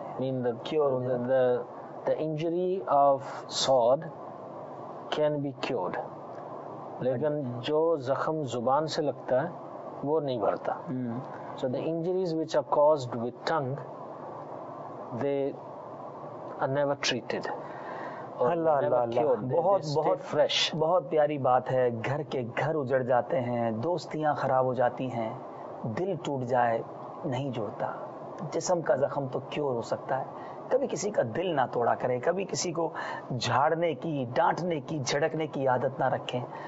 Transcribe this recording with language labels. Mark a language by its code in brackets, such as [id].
[en] Mean the cure, the injury of sword can be cured. [ur] لیکن جو زخم زبان سے لگتا ہے وہ نہیں بھرتا. [en] So the injuries which are caused with tongue, they are never treated. [ur] اللہ اللہ اللہ, بہت بہت فریش, بہت پیاری بات ہے. گھر کے گھر اجڑ جاتے ہیں, دوستیاں خراب ہو جاتی ہیں, دل ٹوٹ جائے نہیں جوڑتا. جسم کا زخم تو کیور ہو سکتا ہے. کبھی کسی کا دل نہ توڑا کریں, کبھی کسی کو جھاڑنے کی, ڈانٹنے کی, جھڑکنے کی عادت نہ رکھیں.